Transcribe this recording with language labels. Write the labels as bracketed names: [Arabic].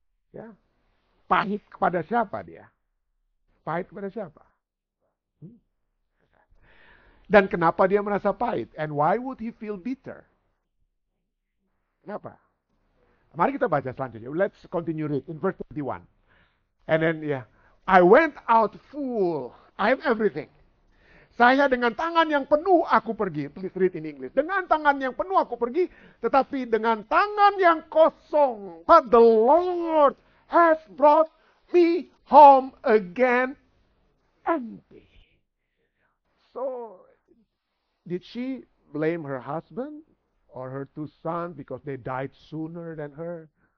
[Indonesian] Ya. Pahit kepada siapa dia? Pahit kepada siapa? Dan kenapa dia merasa pahit? [English] And why would he feel bitter? [Indonesian] Kenapa? Mari kita baca selanjutnya. [English] Let's continue read in verse 31. And then, yeah. I went out full. I have everything. [Indonesian] Saya dengan tangan yang penuh aku pergi. [English] Please read in English. [Indonesian] Dengan tangan yang penuh aku pergi, tetapi dengan tangan yang kosong. [English] But the Lord has brought me home again empty. So, did she blame her husband or her two sons because they died sooner than her?